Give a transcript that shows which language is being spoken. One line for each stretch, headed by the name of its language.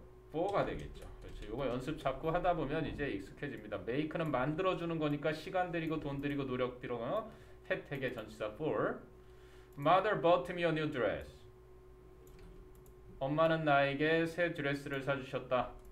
Korean: for가 되겠죠. 요거 연습 자꾸 하다 보면 이제 익숙해집니다. make는 만들어주는 거니까 시간 들이고 돈 들이고 노력 들어가요. 혜택의 전치사 for.
English: Mother bought me a new dress.
Korean: 엄마는 나에게 새 드레스를 사주셨다.